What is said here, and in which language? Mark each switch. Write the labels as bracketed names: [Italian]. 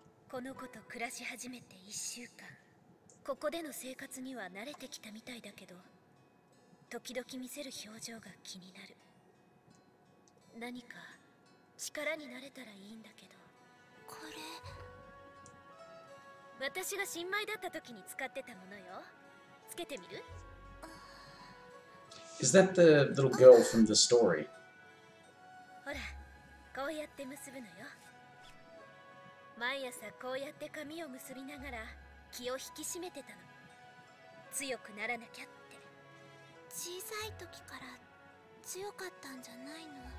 [Japanese] この子と暮らし始めて1週間ここでの生活には慣れてきたみたいだけど時々見せる表情が気になる何か力になれたらいいんだけどこれ私が新米だった時に使ってたものよつけてみる [English] Is that the little girl from the story? [Japanese] ほらこうやって結ぶのよ毎朝こうやって髪を結びながら気を引き締めてたの強くならなきゃって小さい時から強かったんじゃないの